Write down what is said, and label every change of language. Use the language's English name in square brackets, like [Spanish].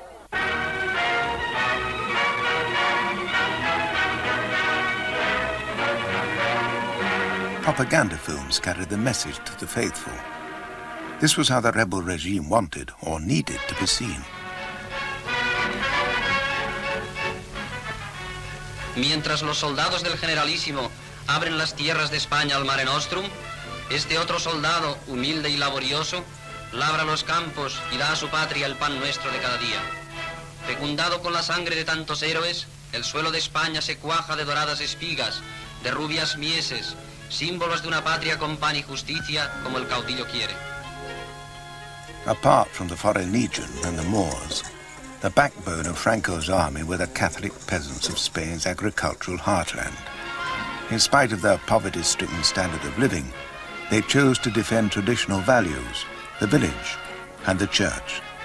[English] Franco propaganda films carried the message to the faithful. This was how the rebel regime wanted or needed to be seen. [Spanish] Mientras los soldados del Generalísimo abren las tierras de España al Mare Nostrum, este otro soldado, humilde y laborioso, labra los campos y da a su patria el pan nuestro de cada día. Fecundado con la sangre de tantos héroes, el suelo de España se cuaja de doradas espigas, de rubias mieses, símbolos de una patria con pan y justicia como el caudillo quiere. [English] Apart from the foreign legion and the Moors, the backbone of Franco's army were the Catholic peasants of Spain's agricultural heartland. In spite of their poverty-stricken standard of living, they chose to defend traditional values, the village and the church.